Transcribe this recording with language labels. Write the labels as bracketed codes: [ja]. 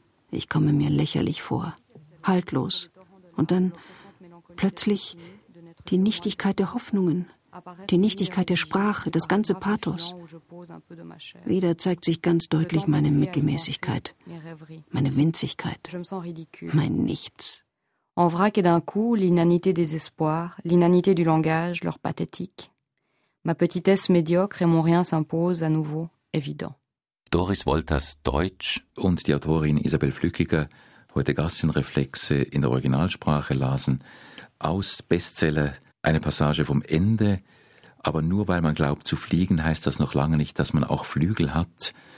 [de] Ich komme mir lächerlich vor, haltlos. Und dann plötzlich die Nichtigkeit der Hoffnungen, Die Nichtigkeit der Sprache, das ganze Pathos. Wieder zeigt sich ganz deutlich meine Mittelmäßigkeit, meine Winzigkeit, mein Nichts. [fr] En vrac et d'un coup, l'inanité des espoirs, l'inanité du langage, leur pathétique. Ma petitesse médiocre et mon rien s'impose à nouveau, évident. [de] Doris Wolters, Deutsch, und die Autorin Isabel Flückiger, heute Gassenreflexe in der Originalsprache, lasen aus Bestseller eine Passage vom Ende. Aber nur weil man glaubt zu fliegen, heißt das noch lange nicht, dass man auch Flügel hat.